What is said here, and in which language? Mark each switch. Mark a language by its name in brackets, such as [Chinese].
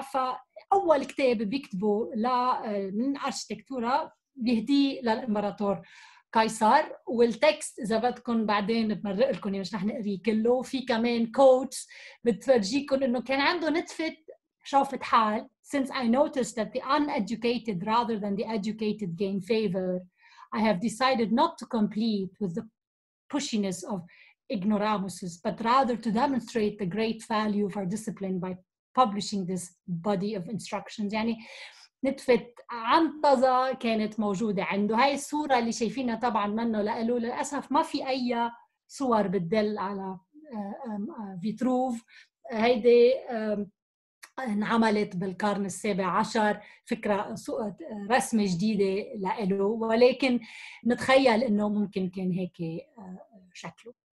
[Arabic] فأول كتاب بيكتبه من أرشيتكتورا بيهدي للإمبراطور قيصر، والتكست إذا بدكم بعدين بمرق لكم مش رح نقري كله. في كمان كوتس بتفرجيكم إنه كان عنده نتفة شافت حال. [English] Since I noticed that the uneducated rather than the educated gain favor, I have decided not to complete with the pushiness of ignoramuses, but rather to demonstrate the great value of our discipline by publishing this body of instructions. يعني [Arabic] نتفة عنطزة كانت موجودة عنده. هاي الصورة اللي شايفينها طبعاً منه لقلو للأسف ما في أي صور بتدل على فيتروف. هيدي انعملت بالقرن السابع عشر، فكرة رسمة جديدة لقلو، ولكن نتخيل إنه ممكن كان هيك شكله.